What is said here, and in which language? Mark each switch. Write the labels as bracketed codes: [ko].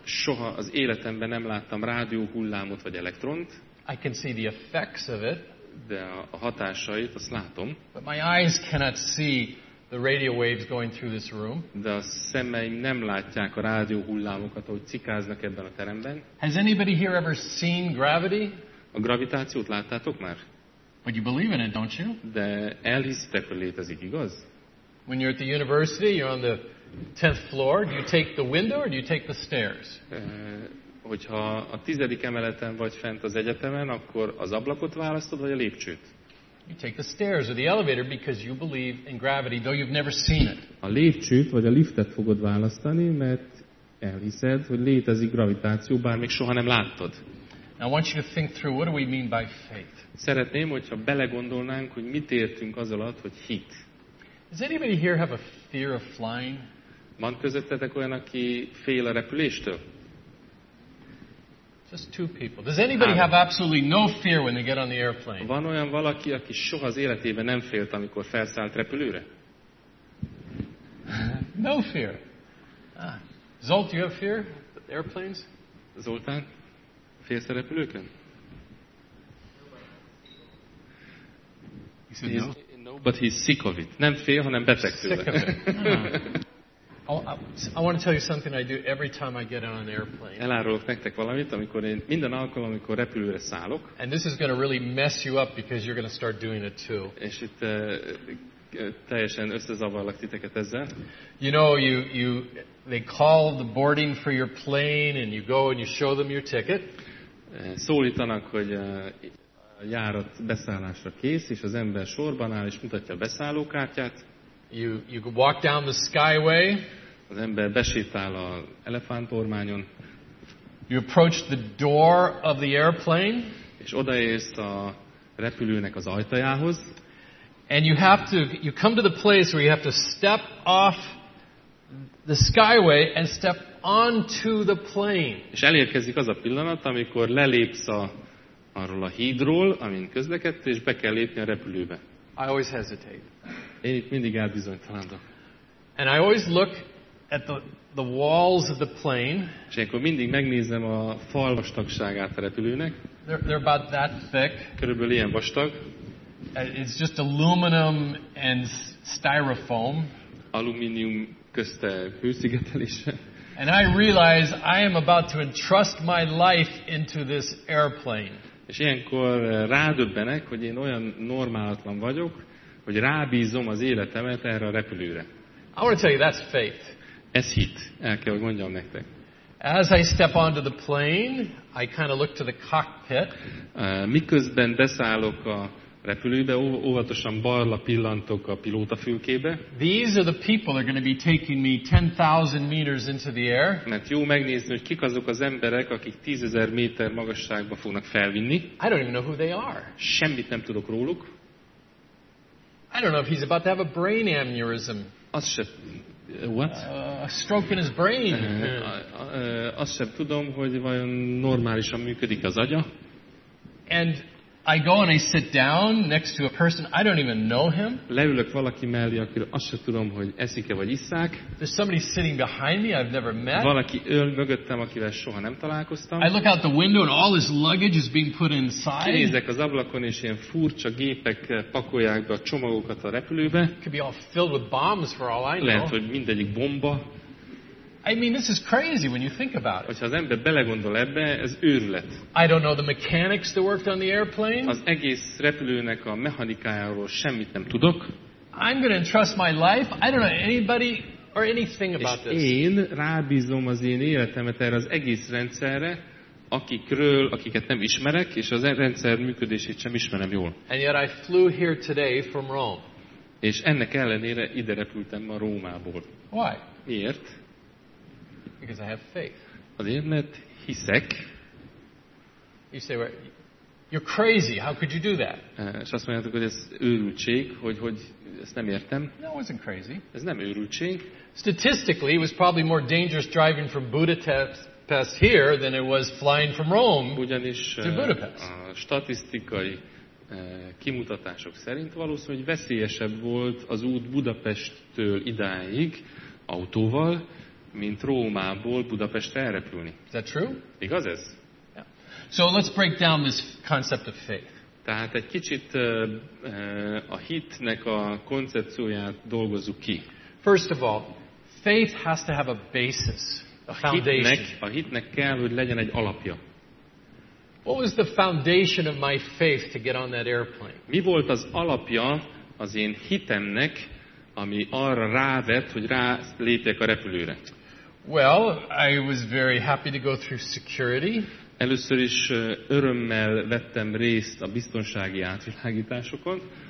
[hu] Soha az életemben nem láttam rádióhullámot vagy elektront. [en] I can see the effects of it. [hu] De a hatásait azt látom. [en] But my eyes cannot see the radio waves going through this room. [hu] De a szemeim nem látják a rádióhullámokat, ahogy cikáznak ebben a teremben. [en] Has anybody here ever seen gravity? [hu] A gravitációt láttátok már? [en] But you believe in it, don't you? [hu] De elhiszitek, hogy létezik, igaz? [en] When you're at the university, you're on the 10th floor, do you take the window or do you take the stairs? [hu] Hogyha a 10. Emeleten vagy fent az egyetemen, akkor az ablakot választod vagy a lépcsőt? [en] You take the stairs or the elevator because you believe in gravity though you've never seen it. [hu] A lépcsőt vagy a liftet fogod választani, mert elhiszed, hogy létezik gravitáció, bár még soha nem láttad. [en] I want you to think through what do we mean by faith. [hu] Szeretném, hogyha belegondolnánk, hogy mit értünk az alatt, hogy hit. [en] Does anybody here have a fear of flying? [hu] Van közöttetek olyan, aki fél a repüléstől? [en] Just two people. Does anybody have absolutely no fear when they get on the airplane? [hu] Van olyan valaki, aki soha az életében nem félt, amikor felszállt repülőre? [en] No fear. Zolt, you have fear? Airplanes? [hu] Zoltán? Félsz a repülőkön? [en] But he's sick of it. [hu] Nem fél, hanem beteg tőle. [en] I want to tell you something I do every time I get on an airplane. [hu] Elárulok nektek valamit, amikor én minden alkalom, amikor repülőre szállok. [en] And this is going to really mess you up because you're going to start doing it too. [hu] És itt teljesen összezavarlak titeket ezzel. [en] You know, you they call the boarding for your plane and you go and you show them your ticket. [hu] Szólítanak, hogy a járat beszállásra kész, és az ember sorban áll és mutatja a beszállókártyát. [en] You walk down the skyway. [hu] Az ember besétál a elefántormányon. [en] You approach the door of the airplane. [hu] És odaérsz a repülőnek az ajtajához. [en] And you come to the place where you have to step off the skyway and step onto the plane. [hu] És elérkezik az a pillanat, amikor lelépsz arról a hídról, amin közlekedtél, és be kell lépni a repülőbe. [en] I always hesitate. [hu] Én itt mindig elbizonytalanodok. [en] And I always look at the walls of the plane. [hu] És akkor mindig megnézem a fal vastagságát a repülőnek. [en] They're about that thick. [hu] Körülbelül ilyen vastag. [en] It's just aluminum and styrofoam. [hu] Alumínium közte hőszigetelése. [en] And I realize I am about to entrust my life into this airplane. [hu] És ilyenkor rádöbbenek, hogy én olyan normálatlan vagyok, hogy rábízom az életemet erre a repülőre. [en] I want to tell you, that's faith. [hu] Ez hit, el kell, hogy mondjam nektek. [en] As I step onto the plane, I kind of look to the cockpit. [hu] Miközben beszállok a repülőbe, óvatosan balra pillantok a pilótafülkébe. [en] These are the people that are going to be taking me 10,000 meters into the air. [hu] Mert jó megnézni, hogy kik azok az emberek, akik 10,000 méter magasságba fognak felvinni. [en] I don't even know who they are. [hu] Semmit nem tudok róluk. [en] I don't know if he's about to have a brain aneurysm. [hu] Az sem. [en] What? A stroke in his brain. [hu] Azt sem tudom, hogy vajon normálisan működik az agya. [en] And I go and I sit down next to a person I don't even know him. [hu] Leülök valaki mellé, akiről azt sem tudom, hogy eszik-e vagy isszák. [en] There's somebody sitting behind me I've never met. [hu] Valaki ül mögöttem, akivel soha nem találkoztam. [en] I look out the window and all his luggage is being put inside. [hu] Nézek az ablakon és ilyen furcsa gépek pakolják be a csomagokat a repülőbe. [en] Could be all filled with bombs for all I know. [hu] Lehet, hogy mindegyik bomba. [en] I mean, this is crazy when you think about it. [hu] Hogyha az ember belegondol ebbe, ez őrület. [en] I don't know the mechanics that worked on the airplane. [hu] Az egész repülőnek a mechanikájáról semmit nem tudok. [en] I'm going to entrust my life. I don't know anybody or anything about this. [hu] És én rábízom az én életemet erre az egész rendszerre, akiket nem ismerek, és az rendszer működését sem ismerem jól. [en] And yet I flew here today from Rome. [hu] És ennek ellenére ide repültem ma Rómából. [en] Why? [hu] Miért? [en] Because I have faith. [hu] Azért, mert hiszek. [en] You say, you're crazy. How could you do that? [hu] És azt mondjátok, hogy ez őrültség, hogy ezt nem értem. [en] No, it wasn't crazy. [hu] Ez nem őrültség. [en] Statistically, it was probably more dangerous driving from Budapest here than it was flying from Rome [hu] ugyanis, [en] to Budapest. [hu] A statisztikai kimutatások szerint valószínű, hogy veszélyesebb volt az út Budapesttől idáig autóval, mint Rómából Budapestre elrepülni. [en] Is that true? [hu] Igaz ez? [en] Yeah. So let's break down this concept of faith. [hu] Tehát egy kicsit a hitnek a koncepcióját dolgozzuk ki. [en] First of all, faith has to have a basis, a foundation. [hu] A hitnek kell, hogy legyen egy alapja. [en] What was the foundation of my faith to get on that airplane? [hu] Mi volt az alapja az én hitemnek, ami arra rávet, hogy rá lépjek a repülőre. [en] Well, I was very happy to go through security. Először is örömmel vettem részt a biztonsági átvilágításokon.